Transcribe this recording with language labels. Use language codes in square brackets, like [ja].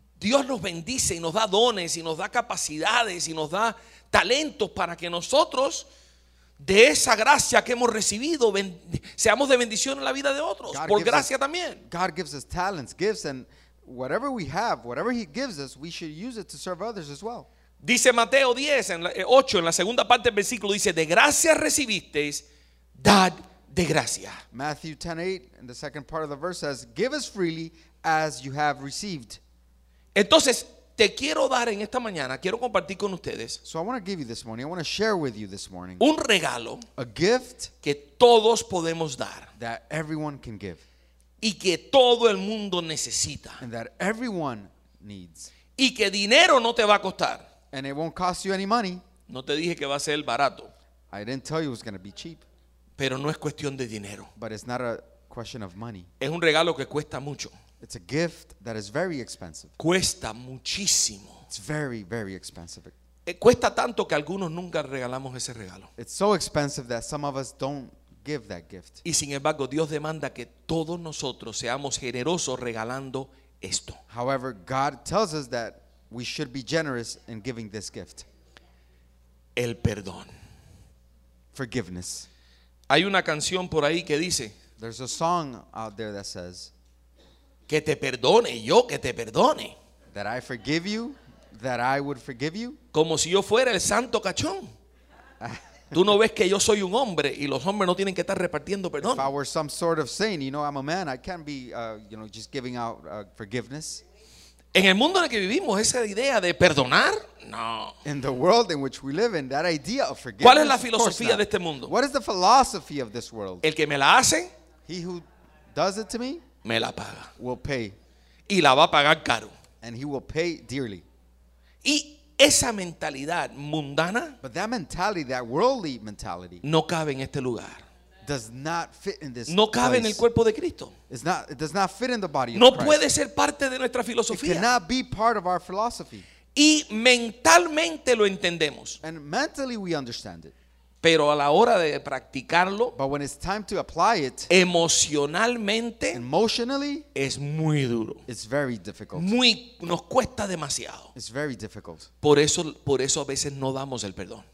[es] Dios nos bendice y nos da dones y nos da capacidades y nos da talentos para que nosotros de esa gracia que hemos recibido seamos de bendición en la vida de otros. [en] God [es] por gracia también. [en] God gives us talents, gifts, and whatever we have, whatever he gives us, we should use it to serve others as well. [es] Dice Mateo 10, en la, 8, en la segunda parte del versículo, dice, de gracia recibisteis, dad de gracia. [en] Matthew 10, 8, in the second part of the verse says, give us freely as you have received. [es] Entonces, te quiero dar en esta mañana, quiero compartir con ustedes. [en] So I want to give you this morning, I want to share with you this morning. [es] Un regalo. [en] A gift. [es] Que todos podemos dar. [en] That everyone can give. [es] Y que todo el mundo necesita. [en] And that everyone needs. [es] Y que dinero no te va a costar. [en] And it won't cost you any money. [es] No te dije que va a ser barato. [en] I didn't tell you it was going to be cheap. [es] Pero no es cuestión de dinero. [en] But it's not a question of money. [es] Es un regalo que cuesta mucho. [en] It's a gift that is very expensive. [es] Cuesta muchísimo. [en] It's very, very expensive. [es] Cuesta tanto que algunos nunca regalamos ese regalo. [en] It's so expensive that some of us don't give that gift. [es] Y sin embargo, Dios demanda que todos nosotros seamos generosos regalando esto. [en] However, God tells us that we should be generous in giving this gift. [es] El perdón. [en] Forgiveness. [es] Hay una canción por ahí que dice, [en] there's a song out there that says, [es] que te perdone yo, que te perdone. [en] That I forgive you, that I would forgive you. [es] Como si yo fuera el santo cachón. Tú no ves que yo soy un hombre y los hombres no tienen que estar repartiendo perdón. [en] If I were some sort of saint, you know, I'm a man, I can't be, you know, just giving out forgiveness. [es] En el mundo en el que vivimos, esa idea de perdonar, no. [en] In the world in which we live, in that idea of forgiveness, [es] ¿cuál es la filosofía de este mundo? [en] What is the philosophy of this world? [es] El que me la hace, [en] he who does it to me, [es] me la paga. [en] Will pay. [es] Y la va a pagar caro. [en] And he will pay dearly. [es] Y esa mentalidad mundana, [en] but that mentality, that worldly mentality, [es] no cabe en este lugar. [en] Does not fit in this. [es] No cabe En el cuerpo de Cristo. [en] It's not, it does not fit in the body [es] no [en] of Christ. [es] No puede ser parte de nuestra filosofía. [en] It cannot be part of our philosophy. [es] Y mentalmente lo entendemos. [en] And mentally we understand it. [es] Pero a la hora de practicarlo, [en] but when it's time to apply it, [es] emocionalmente, [en] emotionally, [es] es muy duro. [en] It's very difficult. [es] Muy, nos cuesta demasiado. [en] It's very difficult. [es] Por eso a veces no damos el perdón.